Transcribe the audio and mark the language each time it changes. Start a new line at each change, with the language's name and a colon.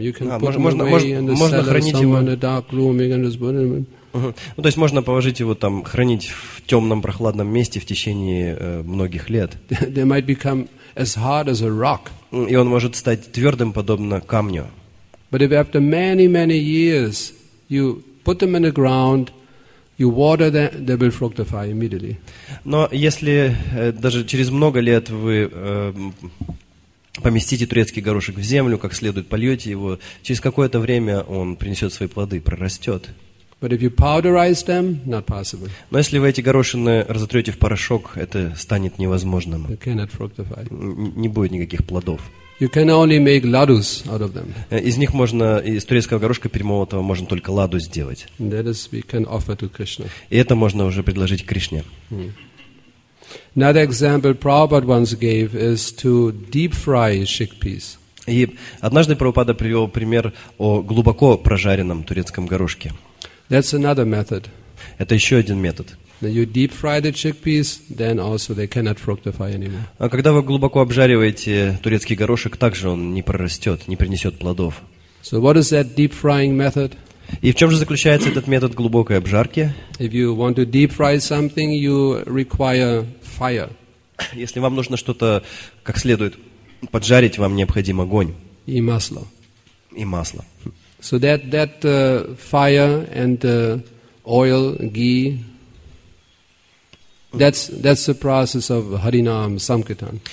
English: You can put them away in the cellar somewhere in a dark room. You can just put them in.
Russian: Ну, то есть можно положить его там, хранить в темном прохладном месте в течение многих лет.
English: They might become as hard as a rock.
Russian: И он может стать твердым, подобно камню.
English: But if after many, many years you put them in the ground, you water them, they will fructify immediately.
Russian: Но если даже через много лет вы поместите турецкий горошек в землю, как следует польете его, через какое-то время он принесет свои плоды, прорастет.
English: But if you powderize them, not possible.
Russian: Но если вы эти горошины разотрете в порошок, это станет невозможным.
English: You cannot fructify.
Russian: Не будет никаких плодов.
English: You can only make ladus out of them.
Russian: Из них можно, из турецкого горошка перемолотого, можно только ладу сделать.
English: That is, we can offer to Krishna.
Russian: И это можно уже предложить Кришне. Mm.
English: Another example Prabhupada once gave is to deep fry chickpeas.
Russian: И однажды Прабхупада привел пример о глубоко прожаренном турецком горошке.
English: That's another method.
Russian: Это еще один метод.
English: You deep fry the chickpeas, then also they cannot fructify anymore.
Russian: А когда вы глубоко обжариваете турецкий горошек, также он не прорастет, не принесет плодов.
English: So what is that deep frying method?
Russian: И в чем же заключается этот метод глубокой обжарки?
English: If you want to deep fry something, you require fire.
Russian: Если вам нужно что-то как следует поджарить, вам необходим огонь. И масло. И масло.
English: So that fire and oil, ghee, that's the process of Haринам Санкиртан.